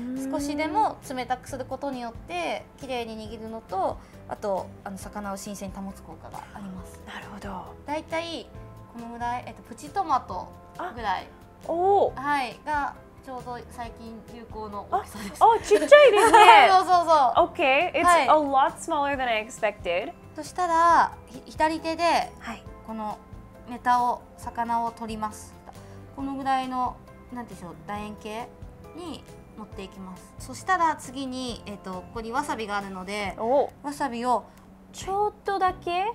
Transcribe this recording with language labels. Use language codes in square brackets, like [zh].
[ja] 少しでも冷たくすることによってきれいに握るのと、あとあの魚を新鮮に保つ効果があります。なるほど。だいたいこのぐらい、プチトマトぐらい、おはい、がちょうど最近流行の大きさです。あ、ちっちゃいですねそうそうそう。 [en] OK, it's、はい、a lot smaller than I expected。 [ja] そしたら左手でこのネタを、魚を取ります。このぐらいの、なんていうんでしょう、楕円形に持っていきます。そしたら次に、ここにわさびがあるので、わさびをちょっとだけ、